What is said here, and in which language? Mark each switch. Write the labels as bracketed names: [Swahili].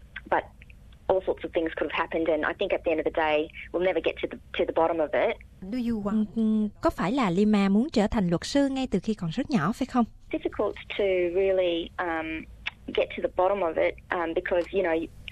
[English] But all sorts of things could have happened, and I think at the end of the day, we'll never get to the bottom of it. Do you want? [Vietnamese] Có phải là Lima muốn trở thành luật sư ngay từ khi còn rất nhỏ phải không? [English] Difficult to really get to the bottom of it because you know.